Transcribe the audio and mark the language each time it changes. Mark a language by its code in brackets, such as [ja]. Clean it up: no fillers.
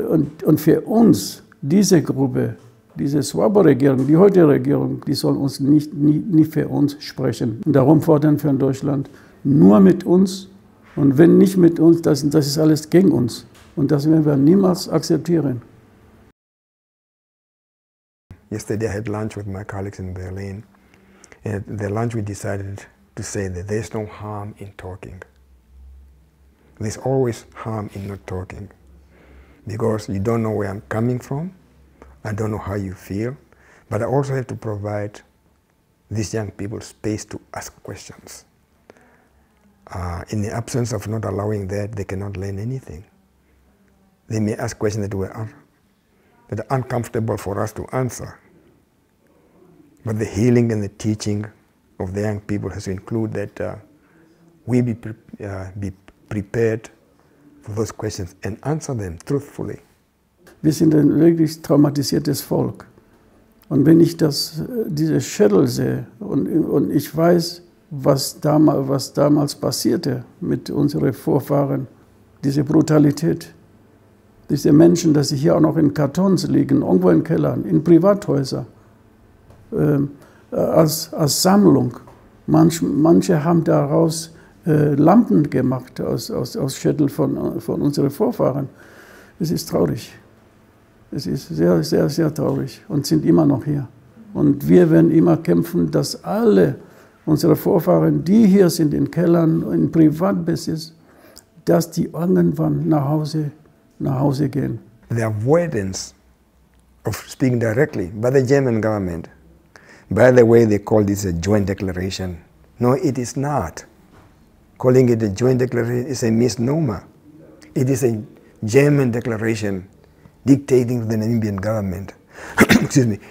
[de] Und für uns, diese Gruppe, diese Swabo-Regierung, die heutige Regierung, die soll uns nie für uns sprechen. Und darum fordern wir in Deutschland nur mit uns. Und wenn nicht mit uns, das ist alles gegen uns. Und das werden wir niemals akzeptieren. [en] Yesterday I had lunch with my colleagues in Berlin. And at the lunch we decided to say that there's no harm in talking. There's always harm in not talking. Because you don't know where I'm coming from, I don't know how you feel, but I also have to provide these young people space to ask questions. In the absence of not allowing that, they cannot learn anything. They may ask questions that are uncomfortable for us to answer. But the healing and the teaching of the young people has to include that we be prepared for those questions and answer them truthfully. [de] Wir sind ein wirklich traumatisiertes Volk. Und wenn ich diese Schädel sehe und ich weiß, was damals passierte mit unseren Vorfahren, diese Brutalität, diese Menschen, dass sie hier auch noch in Kartons liegen, irgendwo in Kellern, in Privathäusern, als Sammlung. Manche haben daraus Lampen gemacht aus Schädel von unseren Vorfahren. Es ist traurig. Es ist sehr, sehr, sehr traurig und sind immer noch hier. Und wir werden immer kämpfen, dass alle unsere Vorfahren, die hier sind in Kellern, in Privatbesitz, dass die irgendwann nach Hause gehen. [en] The avoidance of speaking directly by the German government, by the way, they call this a joint declaration. No, it is not. Calling it a joint declaration is a misnomer. It is a German declaration dictating to the Namibian government. Excuse me.